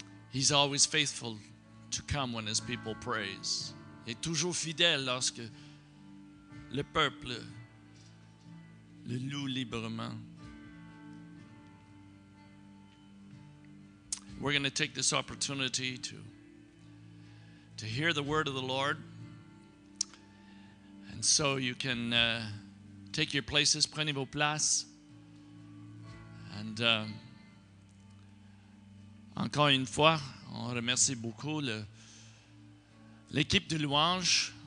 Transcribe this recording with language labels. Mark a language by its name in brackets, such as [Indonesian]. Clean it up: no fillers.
[English] He's always faithful to come when his people praise. [French] Il est toujours fidèle lorsque le peuple le loue librement. [English] We're going to take this opportunity to hear the word of the Lord. And so you can take your places, [French] prenez vos places. And encore une fois, on remercie beaucoup l'équipe de louange.